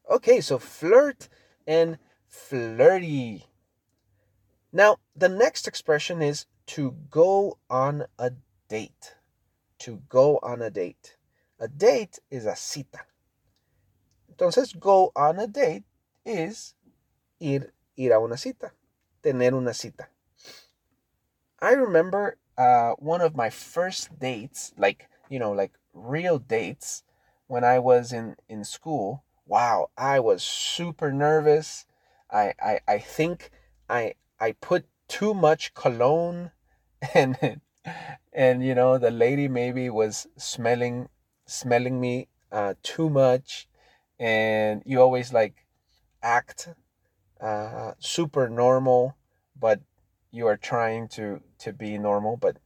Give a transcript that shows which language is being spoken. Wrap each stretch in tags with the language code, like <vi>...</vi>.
<en>Okay, so flirt and flirty. Now, the next expression is to go on a date. To go on a date. A date is a cita. Entonces, go on a date is ir,</en> <es>ir a una cita, tener una cita.</es> <en>I remember one of my first dates, like, you know, like real dates, when I was in school. Wow, I was super nervous. I think I put too much cologne, and you know, the lady maybe was smelling me too much, and you always like act super normal, but you are trying to be normal.</en>